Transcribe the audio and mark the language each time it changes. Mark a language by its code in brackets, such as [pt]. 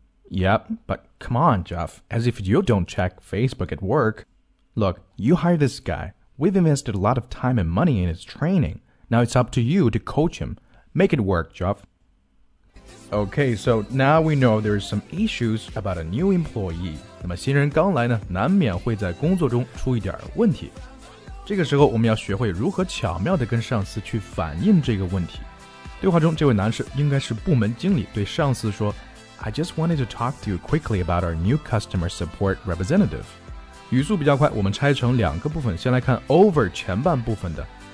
[en] Yep, but come on, Jeff, as if you don't check Facebook at work. Look, you hire this guy. We've invested a lot of time and money in his training. Now it's up to you to coach him. Make it work, Jeff. Okay, so now we know there's some issues about a new employee. [zh] 那么新人刚来呢，难免会在工作中出一点问题。这个时候我们要学会如何巧妙地跟上司去反映这个问题。对话中这位男士应该是部门经理，对上司说 [en] I just wanted to talk to you quickly about our new customer support representative. [zh] 语速比较快，我们拆成两个部分，先来看 over 前半部分的